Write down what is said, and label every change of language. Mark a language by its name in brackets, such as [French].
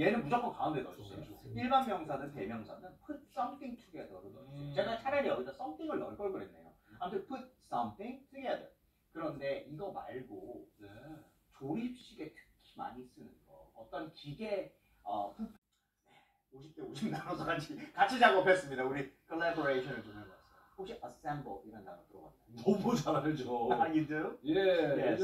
[Korean] 얘는 무조건 가운데 넣었어요. 일반 명사든 대명사든 [English] put something together [Korean] 로 넣었어요. 제가 차라리 여기다 something을 넣을 걸 그랬네요. 아무튼 [English] put something together. [Korean] 그런데 이거 말고 네. 조립식에 특히 많이 쓰는 거 어떤 기계 50대 50 나눠서 같이 작업했습니다. 우리 collaboration을 보면 혹시 assemble 이런 단어 들어봤나요? 너무 잘 알죠. [English] You do? [Korean] 예, [English] yes,